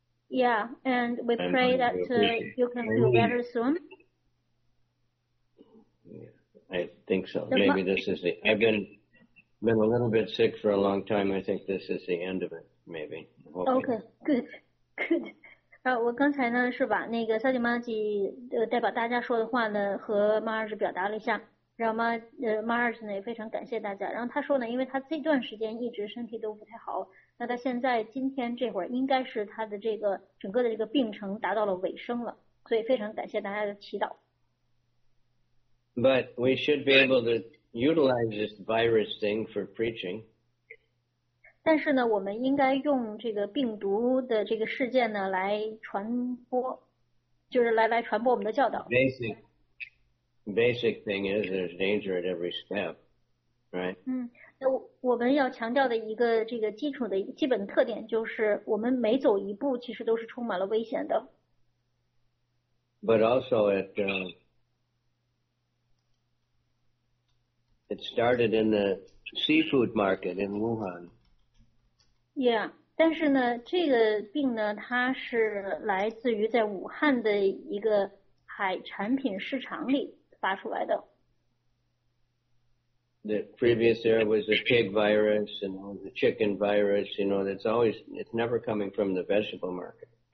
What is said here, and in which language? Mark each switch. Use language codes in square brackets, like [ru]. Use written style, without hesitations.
[en] Yeah, and we pray that you can feel better soon. Yeah, I think so. Maybe this is the... I've been a little bit sick for a long time. I think this is the end of it, maybe. Okay, good. [zh] 我刚才呢是把那个萨迪玛吉代表大家说的话呢和马尔什表达了一下，然后马尔什呢也非常感谢大家，然后他说呢因为他这段时间一直身体都不太好，那他现在今天这会儿应该是他的这个整个的这个病程达到了尾声了，所以非常感谢大家的祈祷。 [en] But we should be able to utilize this virus thing for preaching. [zh] 但是呢，我们应该用这个病毒的这个事件呢来传播，就是来传播我们的教导。 [en] Basic thing is there's danger at every step, right? [zh] 嗯，那我们要强调的一个这个基础的基本特点就是，我们每走一步其实都是充满了危险的。 [en] But also it started in the seafood market in Wuhan. [zh] Yeah, 但是呢这个病呢它是来自于在武汉的一个海产品市场里发出来的。 [en] The previous era was the pig virus and all the chicken virus, you know, that's always, it's never coming from the vegetable market.